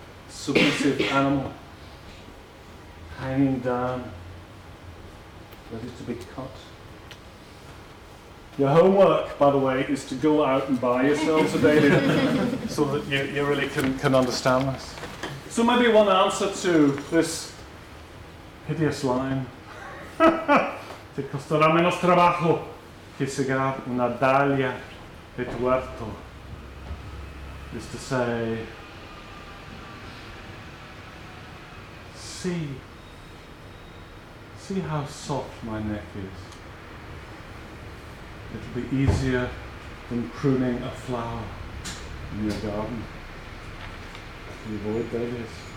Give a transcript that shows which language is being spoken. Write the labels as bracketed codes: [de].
[en] submissive animal, hanging down, ready to be cut. Your homework, by the way, is to go out and buy yourselves a daily so that you really can understand this. So maybe one answer to this hideous line. [es] Te costará menos trabajo que segar una dahlia de tu huerto. [en] Is to say, see how soft my neck is. It'll be easier than pruning a flower in your garden. You avoid dahlias.